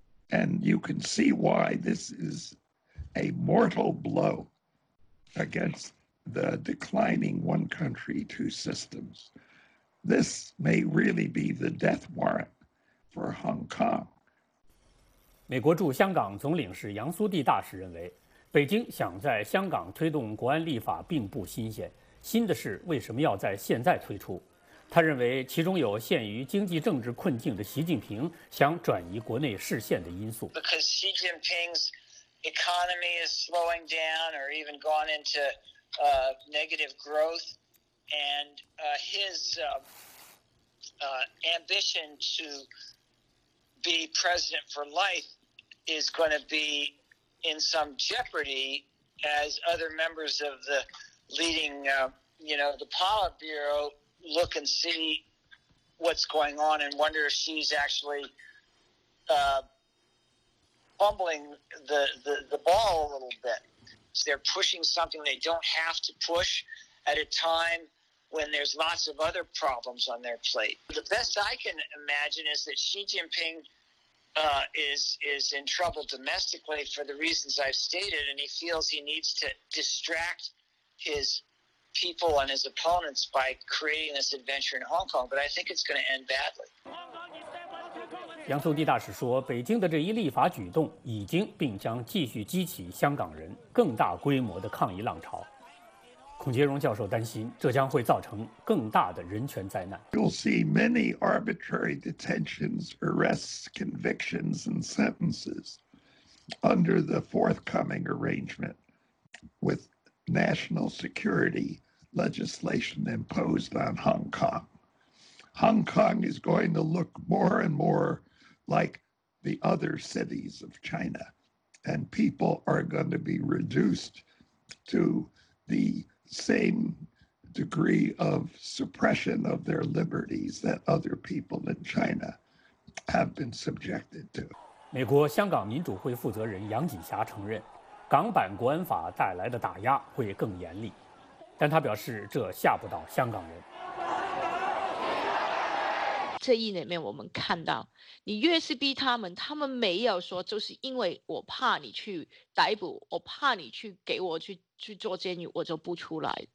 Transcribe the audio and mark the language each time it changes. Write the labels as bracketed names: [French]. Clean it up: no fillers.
[English] And you can see why this is a mortal blow. Against the declining one country, two systems. This may really be the death warrant for Hong Kong. [Chinese] 美国驻香港总领事杨苏蒂大使认为，北京想在香港推动国安立法并不新鲜，新的是为什么要在现在推出？他认为其中有陷于经济政治困境的习近平想转移国内视线的因素。 [English] Because Xi Jinping's economy is slowing down or even gone into negative growth, and his ambition to be president for life is going to be in some jeopardy as other members of the leading, the Politburo look and see what's going on and wonder if she's actually... fumbling the ball a little bit. So they're pushing something they don't have to push at a time when there's lots of other problems on their plate. The best I can imagine is that Xi Jinping is in trouble domestically for the reasons I've stated, and he feels he needs to distract his people and his opponents by creating this adventure in Hong Kong, but I think it's going to end badly. [Chinese] 杨苏蒂大使说，北京的这一立法举动已经并将继续激起香港人更大规模的抗议浪潮。孔杰荣教授担心，这将会造成更大的人权灾难。 [English] You'll see many arbitrary detentions, arrests, convictions, and sentences under the forthcoming arrangement with national security legislation imposed on Hong Kong. Hong Kong is going to look more and more like the other cities of China and people are going to be reduced to the same degree of suppression of their liberties that other people in China have been subjected to. [Chinese] 美国香港民主会负责人杨锦霞承认，港版国安法带来的打压会更严厉，但他表示这吓不到香港人。这一里面我们看到，你越是逼他们，他们没有说就是因为我怕你去逮捕，我怕你去给我去做监狱，我就不出来。